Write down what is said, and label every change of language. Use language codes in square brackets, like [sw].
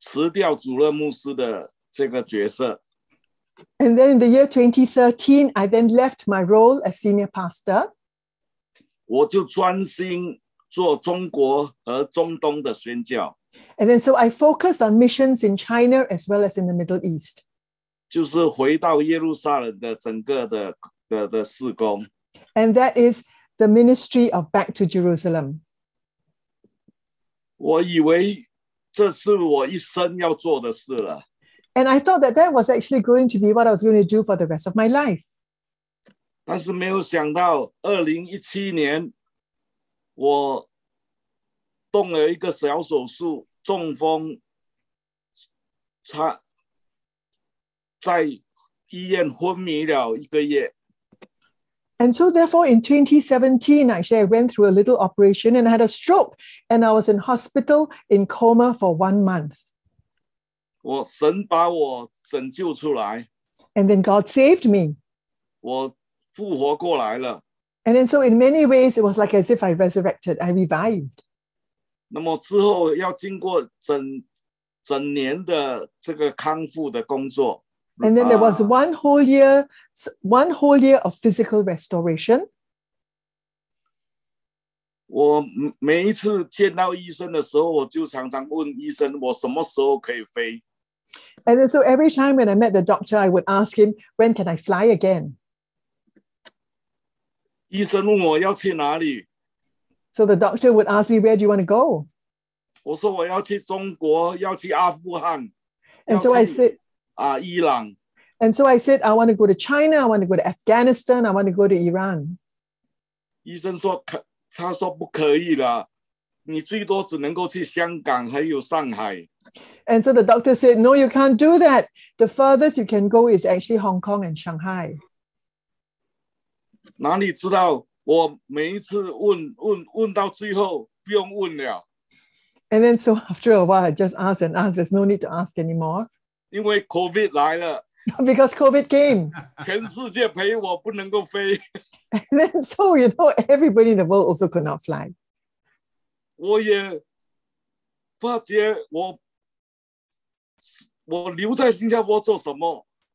[zh] 我后来我就在这个2013年的时候，我辞掉主任牧师的这个角色。 [en] And then in the year 2013, I then left my role as senior pastor. [zh] 我就专心 做中国和中东的宣教。 [en] And then so I focused on missions in China as well as in the Middle East. [zh] 就是回到耶路撒冷的整个的事工。 [en] And that is the ministry of back to Jerusalem. [zh] 我以为这是我一生要做的事了。 [en] And I thought that that was actually going to be what I was going to do for the rest of my life. [zh] 但是没有想到2017年 我 动了一个小手术，中风，在医院昏迷了一个月。 [en] And so therefore in 2017, actually I went through a little operation and I had a stroke and I was in hospital in coma for 1 month. [zh] 神把我拯救出来。 [en] And then God saved me. [zh] 我复活过来了。 [en] And then so in many ways, it was like as if I resurrected, I revived. [zh] 那么之后要经过整年的这个康复的工作。 [en] And then there was one whole year of physical restoration. [zh] 我每一次见到医生的时候，我就常常问医生，我什么时候可以飞？ [en] And then so every time when I met the doctor, I would ask him, when can I fly again? [zh] 医生问我要去哪里？ [en] So the doctor would ask me, where do you want to go? [zh] 我说我要去中国，要去阿富汗，要去 [en] And so I said, I want to go to China, I want to go to Afghanistan, I want to go to Iran. [zh] 医生说，他说不可以了，你最多只能够去香港还有上海。 [en] And so the doctor said, no, you can't do that. The furthest you can go is actually Hong Kong and Shanghai. [zh] 哪里知道，我每一次问到最后不用问了。 [en] And then so after a while, I just asked and asked. There's no need to ask anymore. [zh] 因为COVID来了, [en] because COVID came. [zh] 全世界陪我不能够飞。 [en] And then so, you know, everybody in the world also could not fly. [zh] 我也发觉我,我留在新加坡做什么?